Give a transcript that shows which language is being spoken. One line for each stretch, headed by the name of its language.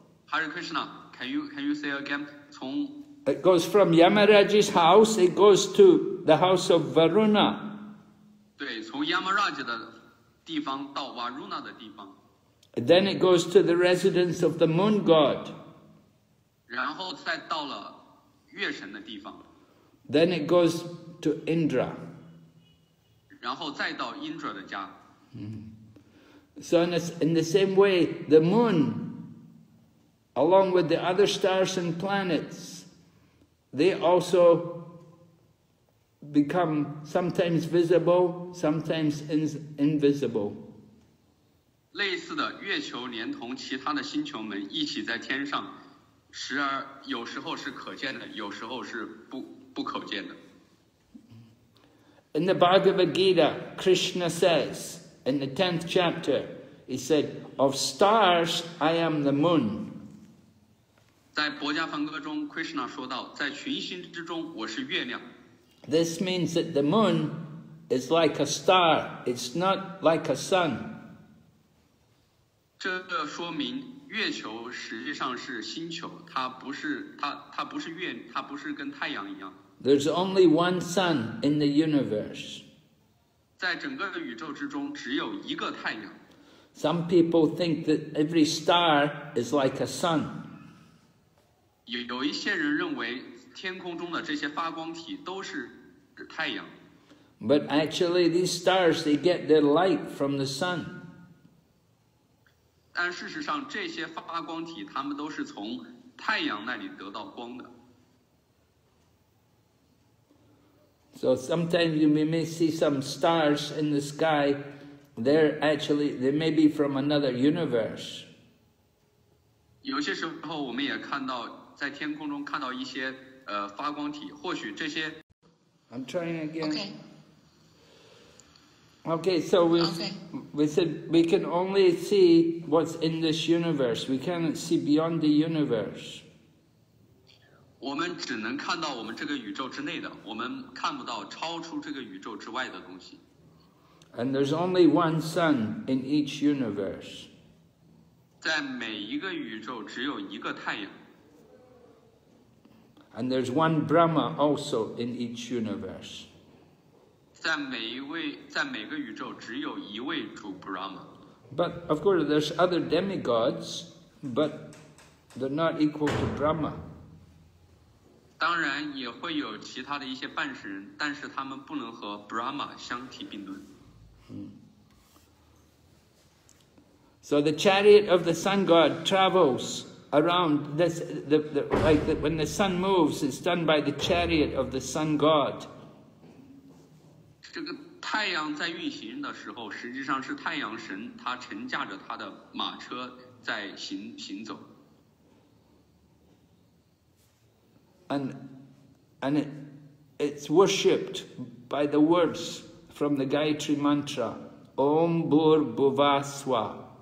English: Hare Krishna, can you say again?
Chinese: 从
English: It goes from Yamaraj's house, it goes to the house of Varuna.
Chinese: 对，从 Yamaraj 的地方到 Varuna 的地方。
English: Then it goes to the residence of the moon god.
Chinese: 然后再到了月神的地方。
English: Then it goes to Indra.
Chinese: 然后再到 Indra 的家。
English: So in the same way, the moon, along with the other stars and planets, they also become sometimes visible, sometimes invisible.
Chinese: 类似的，月球连同其他的星球们一起在天上。时而有时候是可见的，有时候是不可见的。
English: In the Bhagavad Gita, Krishna says in the 10th chapter, he said, "Of stars, I am the moon."
Chinese: 在《薄伽梵歌》中 ，Krishna 说到，在群星之中，我是月亮。
English: This means that the moon is like a star; it's not like a sun.
Chinese: 这个说明。月球实际上是星球，它不是它不是月，它不是跟太阳一样。
English: There's only one sun in the universe.
Chinese: 在整个宇宙之中，只有一个太阳。
English: Some people think that every star is like a sun.
Chinese: 有一些人认为天空中的这些发光体都是太阳。
English: But actually, these stars they get their light from the sun.
Chinese: 但事实上，这些发光体它们都是从太阳那里得到光的。
English: So sometimes you may see some stars in the sky. They're actually they may be from another universe.
Chinese: 有些时候我们也看到在天空中看到一些发光体，或许这些。
English: I'm trying again. Okay. Okay, so we said we can only see what's in this universe. We cannot see beyond the universe.
Chinese: 我们只能看到我们这个宇宙之内的，我们看不到超出这个宇宙之外的东西。
English: And there's only one sun in each universe.
Chinese: 在每一个宇宙只有一个太阳。
English: And there's one Brahma also in each universe.
Chinese: 在每个宇宙只有一位主 Brahma.
English: But of course, there's other demigods, but they're not equal to Brahma.
Chinese: 当然也会有其他的一些半神，但是他们不能和 Brahma 相提并论。
English: So the chariot of the sun god travels around this. When the sun moves, it's done by the chariot of the sun god.
Chinese: 这个太阳在运行的时候，实际上是太阳神他乘驾着他的马车在行走。
English: And it's worshipped by the words from the Gayatri Mantra,
Sanskrit: Om Bhur Bhuvaswa.